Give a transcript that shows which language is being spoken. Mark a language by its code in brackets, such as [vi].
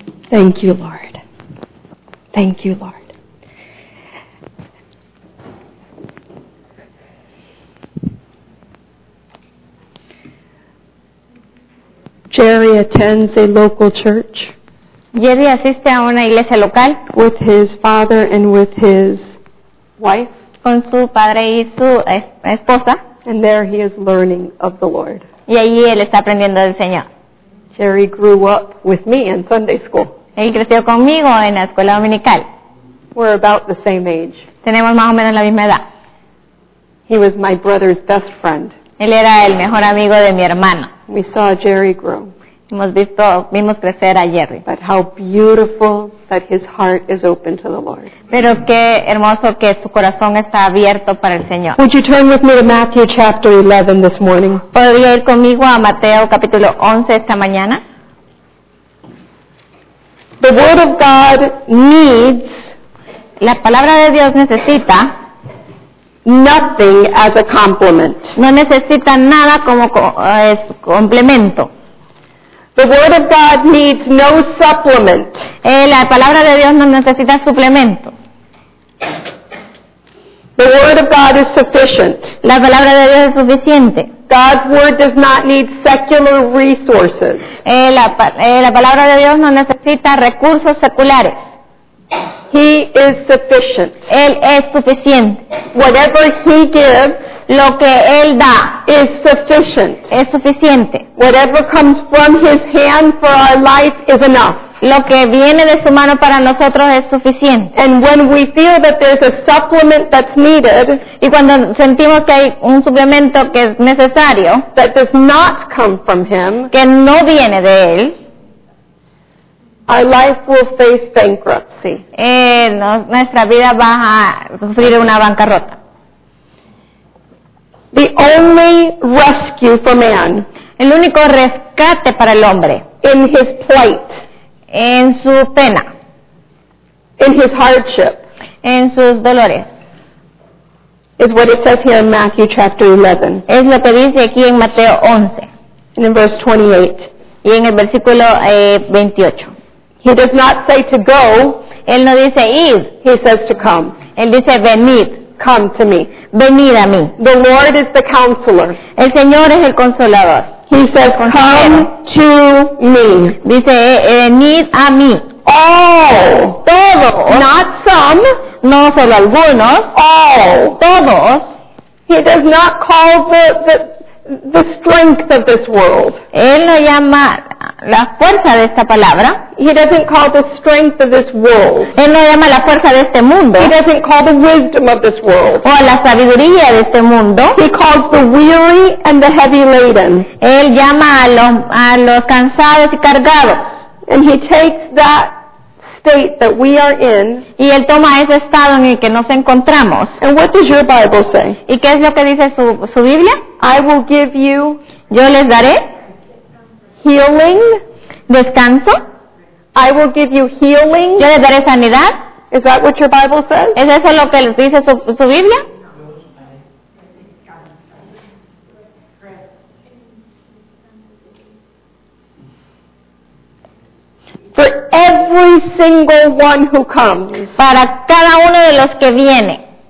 [en] Thank you, Lord. Thank you, Lord. Jerry attends a local church. [es] Jerry asiste a una iglesia local. [en] With his father and with his wife. [es] Con su padre y su esposa. [en] And there he is learning of the Lord. [es] Y allí él está aprendiendo del Señor. [en] Jerry grew up with me in Sunday school. [es] Él creció conmigo en la escuela dominical. [en] We're about the same age. [es] Tenemos más o menos la misma edad. [en] He was my brother's best friend. [es] Él era el mejor amigo de mi hermano. [en] We saw Jerry grow. [es] Vimos crecer a Jerry. [en] But how beautiful that his heart is open to the Lord. [es] Pero qué hermoso que su corazón está abierto para el Señor. [en] Would you turn with me to Matthew chapter 11 this morning? [es] ¿Podría ir conmigo a Mateo capítulo 11 esta mañana? [en] The word of God needs, [es] la palabra de Dios necesita, [en] nothing as a complement. [es] No necesita nada como es complemento. [en] The word of God needs no supplement. [es] La palabra de Dios no necesita suplemento. [en] The word of God is sufficient. [es] La palabra de Dios es suficiente. [en] God's word does not need secular resources. [es] La palabra de Dios no necesita recursos seculares. [en] He is sufficient. [es] Él es suficiente. [en] Whatever he gives, [es] lo que él da, [en] is sufficient. [es] Es suficiente. [en] Whatever comes from his hand for our life is enough. [es] Lo que viene de su mano para nosotros es suficiente. [en] And when we feel that there's a supplement that's needed, [es] y cuando sentimos que hay un suplemento que es necesario, [en] that does not come from him, [es] que no viene de él, [en] our life will face bankruptcy. [es] Nuestra vida va a sufrir una bancarrota. [en] The only rescue for man. [es] El único rescate para el hombre. [en] In his plight. [es] En su pena. [en] In his hardship. [es] En sus dolores. [en] Is what it says here in Matthew chapter 11. [es] Es lo que dice aquí en Mateo 11. [en] And in verse 28. [es] Y en el versículo 28. [en] He does not say to go. [es] Él no dice ir. [en] He says to come. [es] Él dice venid. [en] Come to me. [es] Venid a mí. [en] The Lord is the counselor. [es] El Señor es el consolador. [en] He says, come to me. [es] Dice, venid a mí. [en] All. [es] Todos. [en] Not some. [es] No solo algunos. [en] All. [es] Todos. [en] He does not call the strength of this world. [es] Él no llama la fuerza de esta palabra. [en] He doesn't call the strength of this world. [es] Él no llama la fuerza de este mundo. [en] He doesn't call the wisdom of this world. [es] O la sabiduría de este mundo. [en] He calls the weary and the heavy laden. [es] Él llama a los cansados y cargados. [en] And he takes that state that we are in. [es] Y él toma ese estado en el que nos encontramos. [en] And what does your Bible say? [es] ¿Y qué es lo que dice su Biblia? [en] I will give you. [es] Yo les daré. [en] Healing. [es] Descanso. [en] I will give you healing. [es] Yo les daré sanidad. [en] Is that what your Bible says? [es] ¿Es eso lo que les dice su Biblia? [en] For every single one who comes. [es] Para cada uno de los que viene.